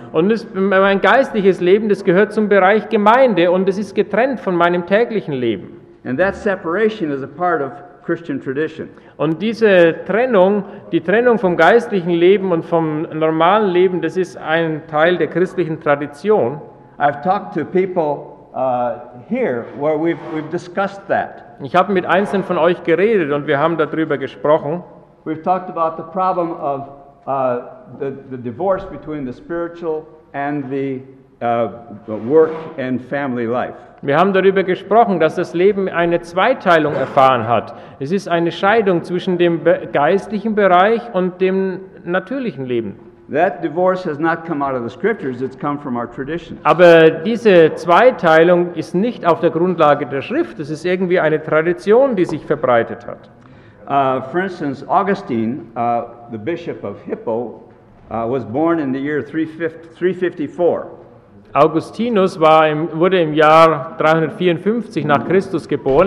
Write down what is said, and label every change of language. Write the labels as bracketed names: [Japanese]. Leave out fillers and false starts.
[German] Und es, mein geistliches Leben, das gehört zum Bereich Gemeinde und es ist getrennt von meinem täglichen Leben. [English] And that separation is a part of Christian tradition. [German] Und diese Trennung, die Trennung vom geistlichen Leben und vom normalen Leben, das ist ein Teil der christlichen Tradition. [English] I've talked to people here where we've discussed that. [German] Ich habe mit einzelnen von euch geredet und wir haben darüber gesprochen. [English] We've talked about the problem of the divorce between the spiritual and the work and family life. [German] Wir haben darüber gesprochen, dass das Leben eine Zweiteilung erfahren hat. Es ist eine Scheidung zwischen dem geistlichen Bereich und dem natürlichen Leben. [English] That divorce has not come out of the scriptures, it's come from our tradition. [German] Aber diese Zweiteilung ist nicht auf der Grundlage der Schrift, es ist irgendwie eine Tradition, die sich verbreitet hat. [English] For instance, Augustine, the bishop of Hippo, was born in the year 354. [German] Augustinus war wurde im Jahr 354 nach Christus geboren.